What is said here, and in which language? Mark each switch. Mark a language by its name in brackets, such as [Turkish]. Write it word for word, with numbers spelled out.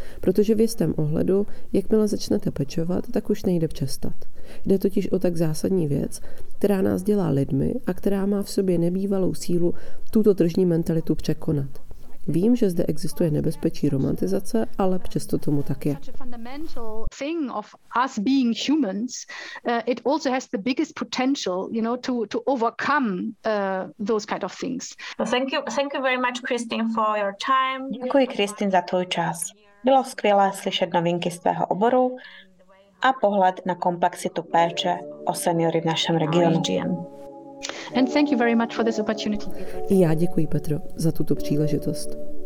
[Czech] Protože v jistém ohledu, jakmile začnete pečovat, tak už nejde přestat. Jde totiž o tak zásadní věc, která nás dělá lidmi a která má v sobě nebývalou sílu tuto tržní mentalitu překonat. Vím, že zde existuje nebezpečí romantizace, ale přesto tomu tak je. [English] Such a fundamental thing of us being humans, uh, it also has the biggest potential, you know, to, to overcome, uh, those kind of things. So thank you, thank you very much, Christine, for your time. [Czech] Děkuji, Christine, za tvůj čas. Bylo skvělé slyšet novinky z tvého oboru a pohled na komplexitu péče o seniory v našem regionu. [English] Region. And thank you very much for this opportunity. [Czech] I já děkuji, Petro, za tuto příležitost.